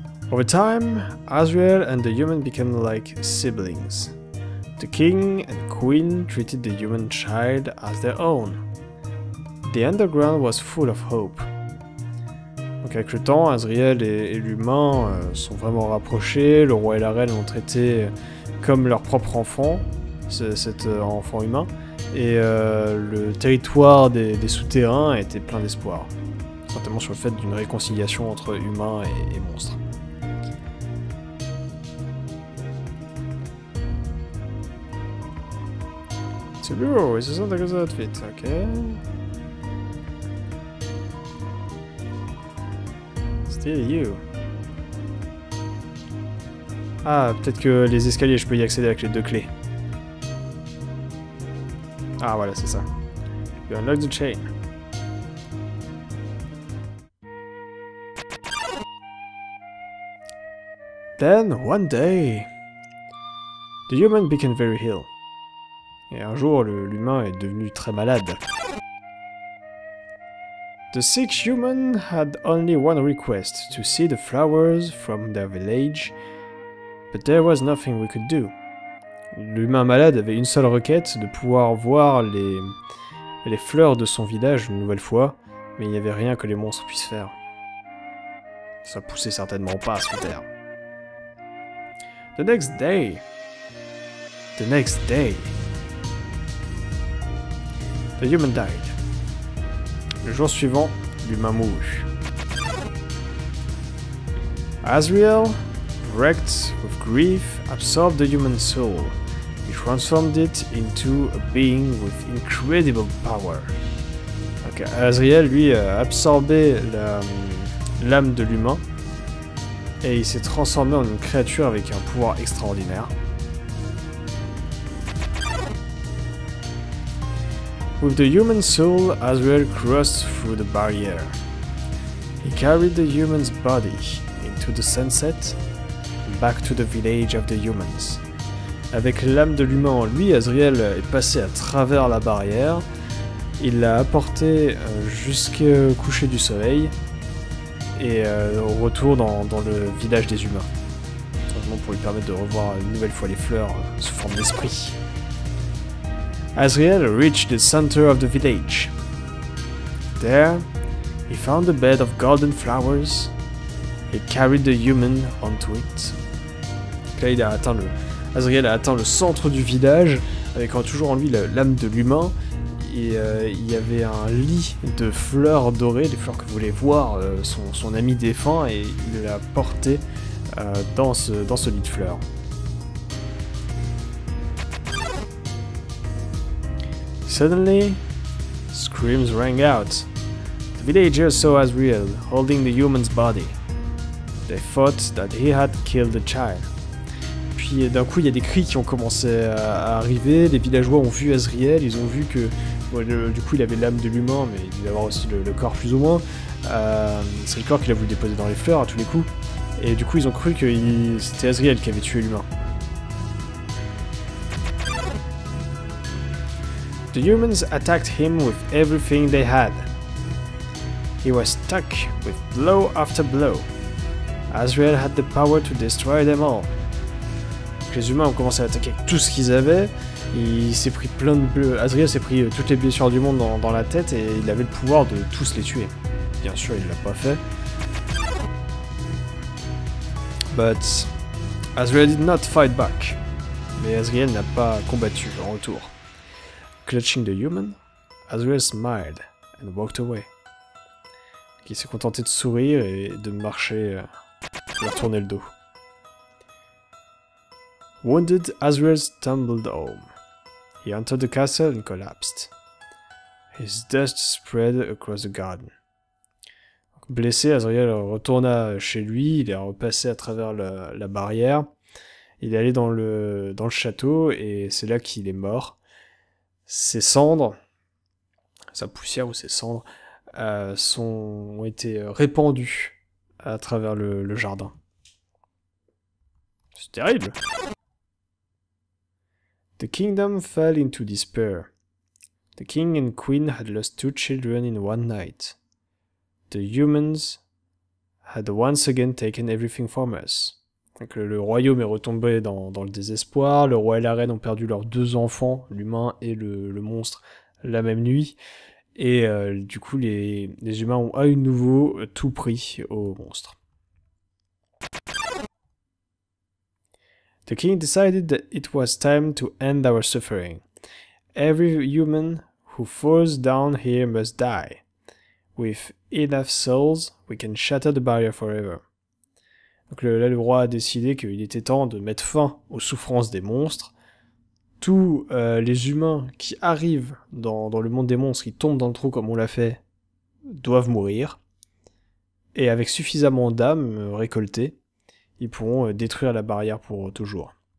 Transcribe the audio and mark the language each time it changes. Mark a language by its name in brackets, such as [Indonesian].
[English] Over time, Azriel and the human became like siblings. The king and queen treated the human child as their own. The underground was full of hope. [French] Donc avec le temps, Azriel et l'humain sont vraiment rapprochés, le roi et la reine l'ont traité comme leur propre enfant, cet enfant humain, et le territoire des souterrains était plein d'espoir, notamment sur le fait d'une réconciliation entre humains et monstres. C'est beau, et c'est ça que ça fait, ok. C'est you. Ah, peut-être que les escaliers, je peux y accéder avec les deux clés. Ah, voilà, c'est ça. [English] You unlock the chain. Then, one day, the human became very ill. [French] Et un jour, l'humain est devenu très malade. [English] The sick human had only one request, to see the flowers from their village, but there was nothing we could do. [French] L'humain malade avait une seule requête, de pouvoir voir les fleurs de son village une nouvelle fois, mais il n'y avait rien que les monstres puissent faire. Ça poussait certainement pas à se taire. [English] The next day, the human died. [French] Le jour suivant, l'humain mourut. [English] Azriel, wrecked with grief, absorbed the human soul. He transformed it into a being with incredible power. [French] Donc Azriel, lui, a absorbé l'âme de l'humain. Et il s'est transformé en une créature avec un pouvoir extraordinaire. [English] With the human soul, Azriel crossed through the barrier. He carried the human's body into the sunset, back to the village of the humans. [French] Avec l'âme de l'humain en lui, Azriel est passé à travers la barrière il l'a apporté jusqu'au coucher du soleil et au retour dans le village des humains. Simplement pour lui permettre de revoir une nouvelle fois les fleurs sous forme d'esprit. [English] Azrael reached the center of the village. There, he found a bed of golden flowers. He carried the human onto it. [French] Là, Azrael a atteint le centre du village, avec toujours en lui l'âme de l'humain. Et il y avait un lit de fleurs dorées, des fleurs que voulait voir son ami défunt, et il l'a porté dans ce lit de fleurs. [English] Suddenly, screams rang out. The villagers saw Azrael holding the human's body. They thought that he had killed the child. [French] Puis d'un coup, il y a des cris qui ont commencé à arriver. Les villageois ont vu Azrael. Ils ont vu que, du coup, il avait l'âme de l'humain, mais il devait avoir aussi le corps plus ou moins. C'est le corps qu'il a voulu déposer dans les fleurs à tous les coups. Et du coup, ils ont cru que c'était Azrael qui avait tué l'humain. [English] The humans attacked him with everything they had. He was stuck with blow after blow. Azrael had the power to destroy them all. [French] Les humains ont commencé à attaquer tout ce qu'ils avaient. Il s'est pris plein de bleus. Azrael s'est pris toutes les blessures du monde dans la tête et il avait le pouvoir de tous les tuer. Bien sûr, il l'a pas fait. [English] But Azrael did not fight back. [French] Mais Azrael n'a pas combattu en retour. [English] Clutching the human, Azrael smiled and walked away. [French] Il s'est contenté de sourire et de marcher et retourner le dos. [English] Wounded, Azrael stumbled home. He entered the castle and collapsed. His dust spread across the garden. [French] Blessé, Azrael retourna chez lui. Il est repassé à travers la barrière. Il est allé dans le château et c'est là qu'il est mort. Ses cendres, sa poussière ou ses cendres, ont été répandues à travers le jardin. C'est terrible! [English] The kingdom fell into despair. The king and queen had lost two children in one night. The humans had once again taken everything from us. [French] Donc le royaume est retombé dans le désespoir. Le roi et la reine ont perdu leurs deux enfants, l'humain et le monstre, la même nuit. Et du coup, les humains ont à nouveau tout pris au monstre. [English] The king decided that it was time to end our suffering. Every human who falls down here must die. With enough souls, we can shatter the barrier forever. [French] Donc le roi a décidé qu'il était temps de mettre fin aux souffrances des monstres. Tous les humains qui arrivent dans le monde des monstres, qui tombent dans le trou comme on l'a fait, doivent mourir. Et avec suffisamment d'âmes récoltées, ils pourront détruire la barrière pour toujours.